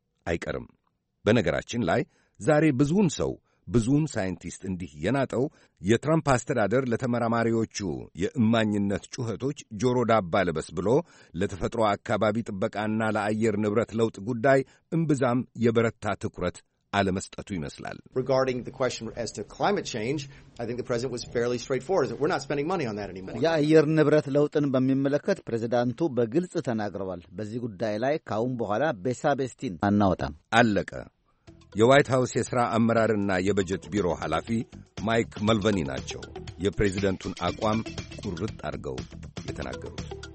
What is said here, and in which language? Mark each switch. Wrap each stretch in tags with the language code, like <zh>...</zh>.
<am>አይቀርም። በነገራችን ላይ ዛሬ ብዙውን ሰው ብዙውን ሳይንቲስት እንዲህ የናጠው የትራምፕ አስተዳደር ለተመራማሪዎቹ የእማኝነት ጩኸቶች ጆሮ ዳባ ልበስ ብሎ ለተፈጥሮ አካባቢ ጥበቃና ለአየር ንብረት ለውጥ ጉዳይ እምብዛም የበረታ ትኩረት አለመስጠቱ ይመስላል።</am> <en>Regarding the question as to climate change, I think the president was fairly straightforward. We're not spending money on that anymore.</en> <am>የአየር ንብረት ለውጥን በሚመለከት ፕሬዝዳንቱ በግልጽ ተናግረዋል። በዚህ ጉዳይ ላይ ካሁን በኋላ በሳቤስቲን አናወጣም። አለቀ። የዋይት ሃውስ የሥራ አመራርና የበጀት ቢሮ ኃላፊ ማይክ መልቨኒ ናቸው የፕሬዝዳንቱን አቋም ቁርጥ አድርገው የተናገሩት።</am>